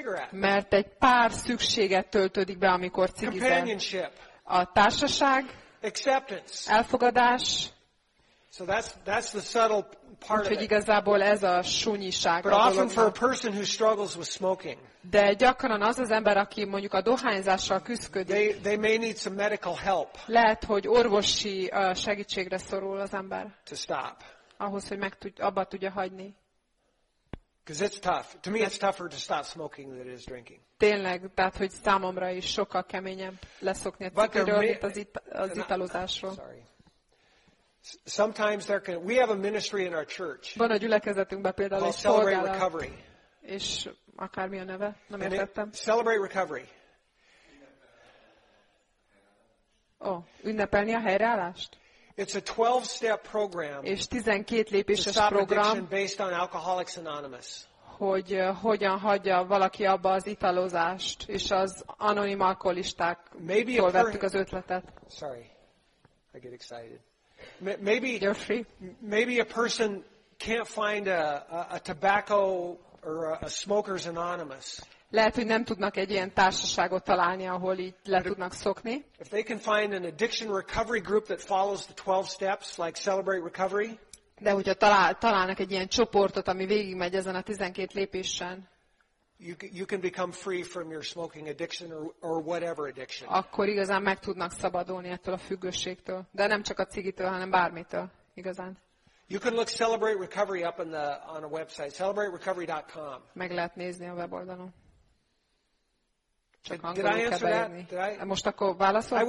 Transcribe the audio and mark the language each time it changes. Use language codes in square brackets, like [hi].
[hu] Mert egy pár szükséget töltődik be, amikor cigizel. A társaság, elfogadás. [en] So that's the subtle part. [hu] Úgyhogy igazából ez a sunyiság. [en] But often for a person who struggles with smoking. [hu] De gyakran az ember, aki mondjuk a dohányzással küszködik. [en] They may need some medical help. [hu] Lehet, hogy orvosi segítségre szorul az ember. [en] To stop. [hu] Ahhoz, hogy abba tudja hagyni. [en] Because it's tough. To me, it's tougher to stop smoking than it is drinking. [hu] Tényleg, tehát hogy számomra is sokkal keményebb leszokni a cigiről, mint az italozásról. [en] Sometimes there can. We have a ministry in our church. [hu] Van a gyülekezetünkben például egy [en] Celebrate Recovery. [hu] És akármi a neve, nem értettem. [en] Celebrate Recovery. [hu] Ünnepelni a helyreállást. [en] It's a 12-step program. [hu] És 12 lépéses program. [en] Based on Alcoholics Anonymous. [hu] Hogy hogyan hagyja valaki abba az italozást és az anonim alkoholisták. [en] Maybe [hu] jól vettük az ötletet. [en] Sorry, I get excited. Maybe you're free. Maybe a person can't find a tobacco or a smokers anonymous. [hu] Lehet, hogy nem tudnak egy ilyen társaságot találni, ahol így le tudnak szokni. [en] If they can find an addiction recovery group that follows the 12 steps like Celebrate Recovery. [hu] De hogyha találnak egy ilyen csoportot, ami végigmegy ezen a 12 lépésen. [en] You can become free from your smoking addiction or whatever addiction. [hu] Akkor igazán meg tudnak szabadulni ettől a függőségtől, de nem csak a cigitől, hanem bármitől, igazán. [en] You can look Celebrate Recovery up on a website, celebraterecovery.com. [hu] Meg lehet nézni a weboldalon. Csak [en] did I answer that? [hu] Most akkor válaszoltam?